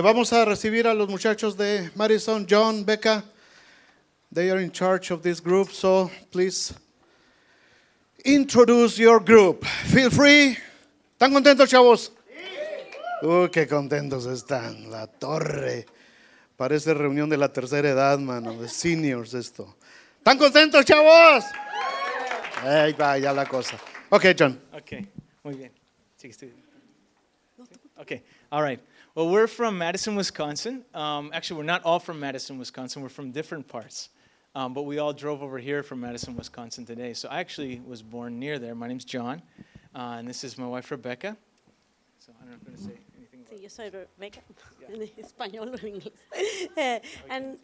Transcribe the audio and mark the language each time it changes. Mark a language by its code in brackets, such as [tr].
[es] Vamos a recibir a los muchachos de Madison, John, Becca. [en] They are in charge of this group, so please introduce your group. Feel free. [es] ¿Están contentos, chavos? Sí. ¡Qué contentos están! La torre. Parece reunión de la tercera edad, mano, de seniors esto. ¿Están contentos, chavos? Yeah. Ahí va, ya la cosa. Ok, John. Ok, muy bien. [en] Ok, all right. Well, we're from Madison, Wisconsin. Actually, we're not all from Madison, Wisconsin. We're from different parts. But we all drove over here from Madison, Wisconsin today. So I actually was born near there. My name's John. And this is my wife, Rebecca. So I don't know if I'm going to say. [es] Yo soy Rebecca, en español o en inglés.